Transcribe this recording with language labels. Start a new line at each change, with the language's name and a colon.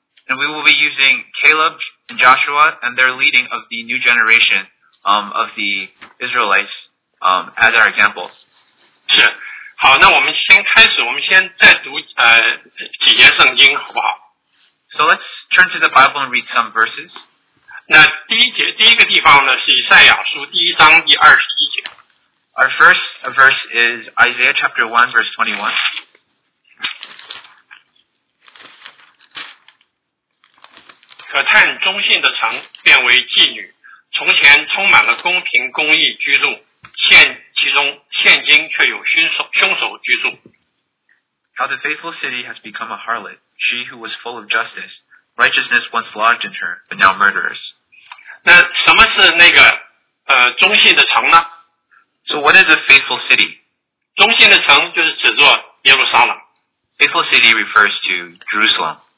English: And we will be using Caleb and Joshua and their leading of the new generation of the Israelites as our examples.
Chinese: 是，好，那我们先开始，我们先再读几节圣经，好不好？
English: So let's turn to the Bible and read some verses.
Chinese: 那第一节第一个地方呢是以赛亚书第一章第二十一节。
English: Our first verse is Isaiah chapter 1 verse 21.
Chinese: 可叹忠信的城变为妓女，从前充满了公平公义居住，现其中现今却有凶手居住。
English: How the faithful city has become a harlot, she who was full of justice, righteousness once lodged in her, but now murderers.
Chinese: 那什么是那个忠信的城呢
English: ？So what is a faithful city?
Chinese: 忠信的城就是指作耶路撒冷。
English: Faithful city refers to Jerusalem.